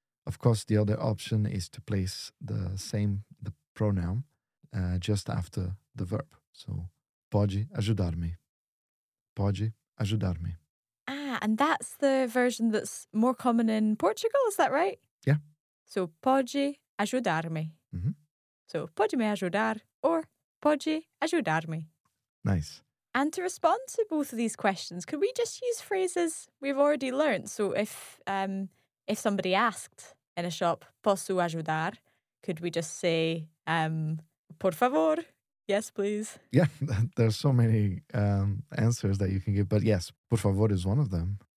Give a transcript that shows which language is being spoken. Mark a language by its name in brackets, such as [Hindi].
[English] Of course, the other option is to place the pronoun just after the verb. [Portuguese] So, pode ajudar-me. Pode ajudar-me. [English] Ah, and that's the version that's more common in Portugal, is that right? Yeah. [Portuguese] So, pode ajudar-me. Mm-hmm. So, pode me ajudar or pode ajudar-me. [English] Nice. And to respond to both of these questions, could we just use phrases we've already learned? So, if somebody asked in a shop, [Portuguese] posso ajudar, [English] could we just say, [Portuguese] por favor, [English] yes, please? Yeah, there's so many answers that you can give, but yes, [Portuguese] por favor [English] is one of them.